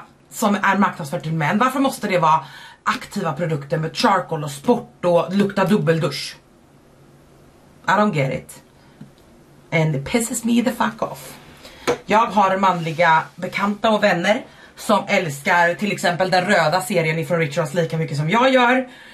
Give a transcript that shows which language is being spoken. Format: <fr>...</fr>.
<sv>som är marknadsfört till män, varför måste det vara aktiva produkter med charcoal och sport och lukta dubbeldusch?</sv> <en>I don't get it. And it pisses me the fuck off.</en> <sv>Jag har manliga bekanta och vänner som älskar till exempel den röda serien ifrån Rituals lika mycket som jag gör.</sv>